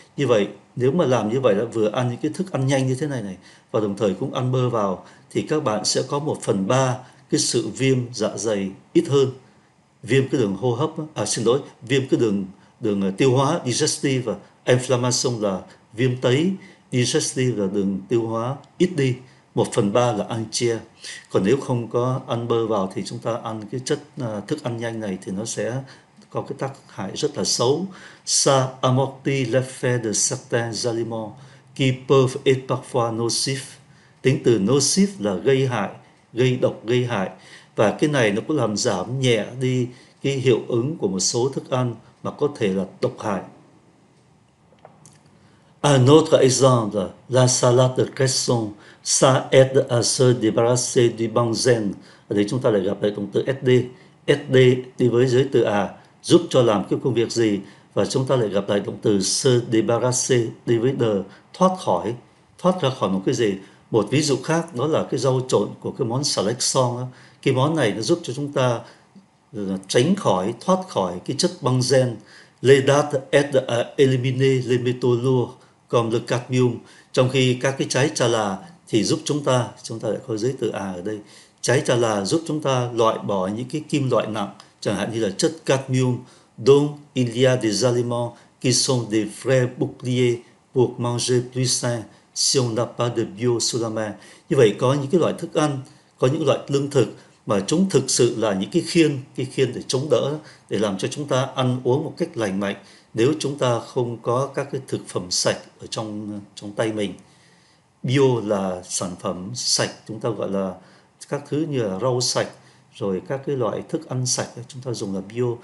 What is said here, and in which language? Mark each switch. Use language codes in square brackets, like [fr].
[vi] Như vậy, nếu mà làm như vậy là vừa ăn những cái thức ăn nhanh như thế này này và đồng thời cũng ăn bơ vào thì các bạn sẽ có 1/3 cái sự viêm dạ dày ít hơn, viêm cái đường hô hấp, viêm cái đường tiêu hóa digestive, và inflammation là viêm tấy, digestive là đường tiêu hóa ít đi, 1/3 là ăn chia. Còn nếu không có ăn bơ vào thì chúng ta ăn cái chất thức ăn nhanh này thì nó sẽ có cái tác hại rất là xấu. [fr] Ça amortit l'effet de certains aliments qui peuvent être parfois nocifs. [vi] Tính từ nocif là gây hại, gây độc, gây hại. Và cái này nó cũng làm giảm nhẹ đi cái hiệu ứng của một số thức ăn mà có thể là độc hại. [fr] Un autre exemple, la salade de cresson, ça aide à se débarrasser du benzène. [vi] Ở đây chúng ta lại gặp lại động từ SD. SD đi với giới từ A, giúp cho làm cái công việc gì, và chúng ta lại gặp lại động từ [fr] se débarrasser, [vi] đi với de, thoát khỏi, thoát ra khỏi một cái gì. Một ví dụ khác đó là cái rau trộn của cái món salad song. Cái món này nó giúp cho chúng ta tránh khỏi, thoát khỏi cái chất băng gen. [fr] Les dates aident à éliminer les métaux lourds comme le cadmium. [vi] Trong khi các cái trái trà là thì giúp chúng ta lại có giới từ A ở đây. Trái trà là giúp chúng ta loại bỏ những cái kim loại nặng, chẳng hạn như là chất cadmium. [fr] Donc il y a des aliments qui sont des vrais boucliers pour manger plus sain si on n'a pas de bio sous la main. [vi] Như vậy có những cái loại thức ăn, có những loại lương thực mà chúng thực sự là những cái khiên để chống đỡ, để làm cho chúng ta ăn uống một cách lành mạnh nếu chúng ta không có các cái thực phẩm sạch ở trong tay mình. Bio là sản phẩm sạch, chúng ta gọi là các thứ như là rau sạch, rồi các cái loại thức ăn sạch chúng ta dùng là bio.